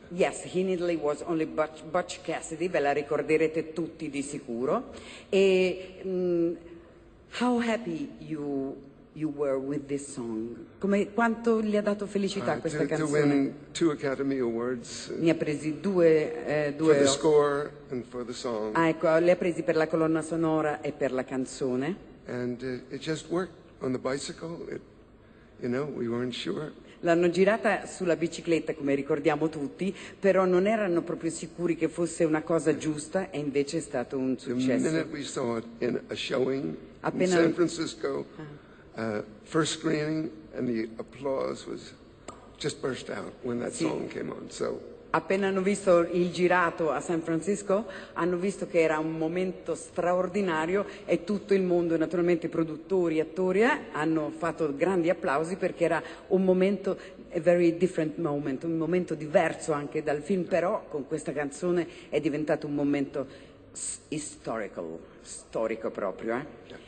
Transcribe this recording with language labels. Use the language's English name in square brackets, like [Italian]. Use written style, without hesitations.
[English] Yes, He Needly Was Only Butch Cassidy, [Italian] ve la ricorderete tutti di sicuro. E [English] how happy you were with this song. [Italian] Come, quanto gli ha dato felicità questa canzone? [English] To win two Academy Awards. [Italian] Ne ha presi due. [English] For the score and for the song. [Italian] Ah, ecco, le ha presi per la colonna sonora e per la canzone. [English] And it just worked on the bicycle. It, you know, we weren't sure. [Italian] L'hanno girata sulla bicicletta, come ricordiamo tutti, però non erano proprio sicuri che fosse una cosa giusta e invece è stato un successo. [English] The minute we saw it in a showing in San Francisco. First screening, and the applause was just burst out when that song came on. So [Italian] appena hanno visto il girato a San Francisco, hanno visto che era un momento straordinario e tutto il mondo, naturalmente produttori, attori, hanno fatto grandi applausi perché era un momento, [English] a very different moment, [Italian] un momento diverso anche dal film, però con questa canzone è diventato un momento storico proprio.